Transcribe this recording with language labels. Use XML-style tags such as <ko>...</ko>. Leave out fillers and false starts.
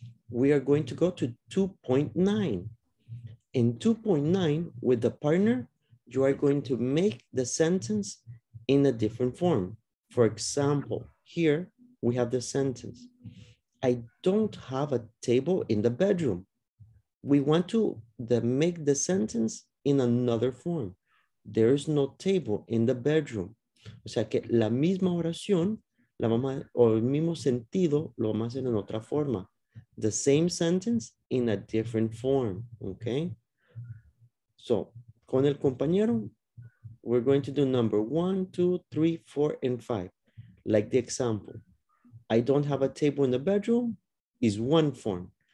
<en>We are going to go to 2.9. In 2.9, with the partner, you are going to make the sentence in a different form. For example, here we have the sentence. I don't have a table in the bedroom. We want to make the sentence in another form. There is no table in the bedroom.</en> <es>O sea que la misma oración, la mamá, o el mismo sentido, lo vamos a hacer en otra forma.</es> <en>The same sentence in a different form, okay? So,</en> <es>con el compañero,</es> <en>we're going to do number 1, 2, 3, 4, and 5. Like the example, I don't have a table in the bedroom is one form.</en>